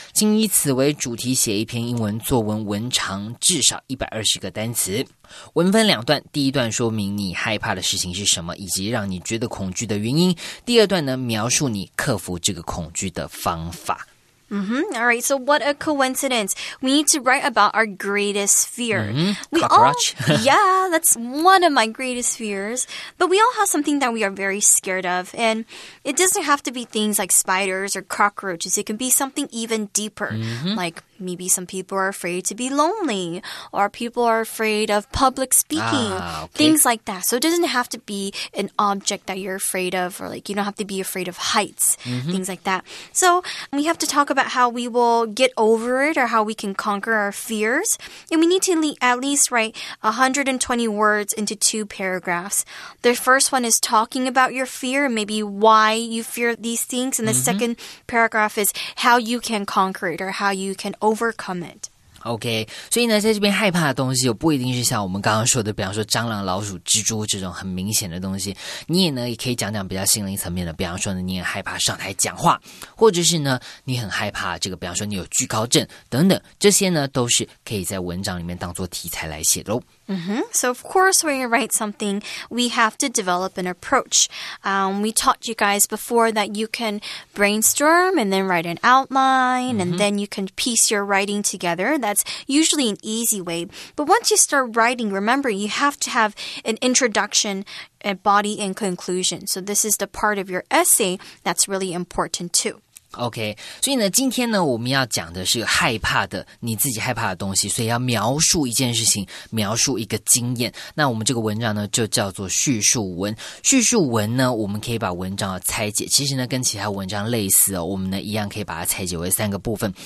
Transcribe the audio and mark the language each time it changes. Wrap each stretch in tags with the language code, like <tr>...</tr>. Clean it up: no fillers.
<zh>请以此为主题写一篇英文作文，文长至少120个单词，文分两段。第一段说明你害怕的事情是什么，以及让你觉得恐惧的原因。第二段呢，描述你克服这个恐惧的方法。</zh> <en>All right, so what a coincidence. We need to write about our greatest fear. Cockroach. That's one of my greatest fears. But we all have something that we are very scared of. And it doesn't have to be things like spiders or cockroaches. It can be something even deeper, like maybe some people are afraid to be lonely, or people are afraid of public speaking, things like that. So it doesn't have to be an object that you're afraid of, or like you don't have to be afraid of heights, things like that. So we have to talk about how we will get over it or how we can conquer our fears. And we need to at least write 120 words into two paragraphs. The first one is talking about your fear, maybe why you fear these things. And the second paragraph is how you can conquer it or how you canOvercome it.</en> <zh>Okay, 所以呢，在这边害怕的东西，不一定是像我们刚刚说的，比方说蟑螂、老鼠、蜘蛛这种很明显的东西。你也呢，也可以讲讲比较心灵层面的，比方说呢，你很害怕上台讲话，或者是呢，你很害怕这个，比方说你有惧高症等等，这些呢，都是可以在文章里面当做题材来写的哦。</zh> <en>So of course, when you write something, we have to develop an approach. We taught you guys before that you can brainstorm and then write an outline, and then you can piece your writing together. That's usually an easy way. But once you start writing, remember, you have to have an introduction, a body, and conclusion. So this is the part of your essay that's really important too.</en> <zh>OK, 所以呢今天呢我们要讲的是害怕的，你自己害怕的东西，所以要描述一件事情，描述一个经验。那我们这个文章呢就叫做叙述文。叙述文呢我们可以把文章拆解，其实呢跟其他文章类似哦，我们呢一样可以把它拆解为三个部分。</zh>